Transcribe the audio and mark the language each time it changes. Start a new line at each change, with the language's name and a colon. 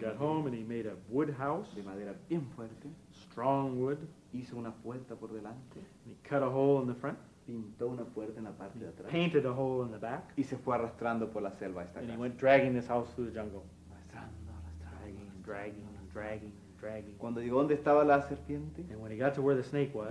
English: got home and he made a wood house.
Spanish: De madera bien fuerte.
English: Strong wood.
Spanish: Hizo una puerta por delante.
English: And he cut a hole in the front.
Spanish: Pintó una puerta en la parte de atrás.
English: Painted a hole in the back.
Spanish: Y se fue arrastrando por la selva esta
English: and And he went dragging this house through the jungle.
Spanish: Arrastrando, arrastrando.
English: Dragging, dragging, dragging, dragging.
Spanish: Cuando llegó donde estaba la serpiente.
English: And when he got to where the snake was.